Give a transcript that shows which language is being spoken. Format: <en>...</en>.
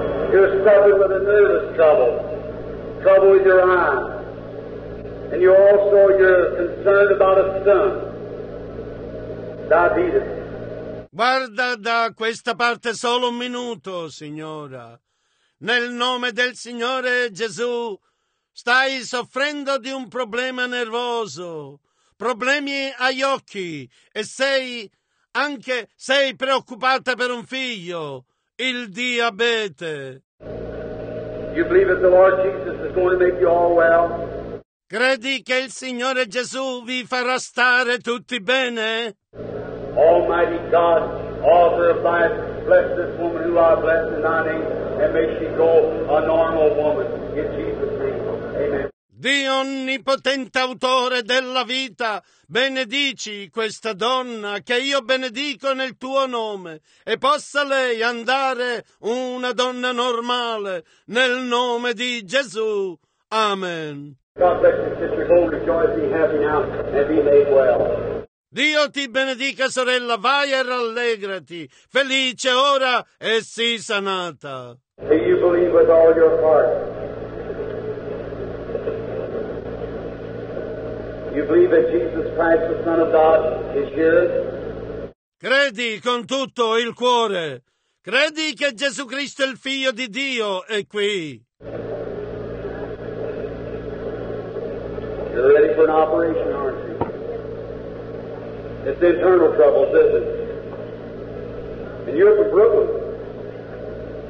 <en>You're struggling with a nervous trouble with your eyes, and you're concerned about a stone, diabetes.</en> <it>Guarda da questa parte solo un minuto, signora. Nel nome del Signore Gesù, stai soffrendo di un problema nervoso, problemi agli occhi, e sei preoccupata per un figlio, il diabete.</it> <en>You believe that the Lord Jesus is going to make you all well?</en> <it>Credi che il Signore Gesù vi farà stare tutti bene?</it> <en>Almighty God, author of life, bless this woman who I bless in thy name, and may she go a normal woman. In Jesus' name, amen.</en> <it>Dio onnipotente, autore della vita, benedici questa donna che io benedico nel tuo nome, e possa lei andare una donna normale, nel nome di Gesù. Amen.</it> <en>God bless you, sister. Go with joy, be happy now, and be made well.</en> <it>Dio ti benedica, sorella, vai e rallegrati, felice ora e sii sanata.</it> <en>Do you believe with all your heart? You believe that Jesus Christ, the Son of God, is here?</en> <it>Credi con tutto il cuore. Credi che Gesù Cristo, il Figlio di Dio, è qui.</it> <en>You're ready for an operation, aren't you? It's internal troubles, isn't it? And you're from Brooklyn.</en>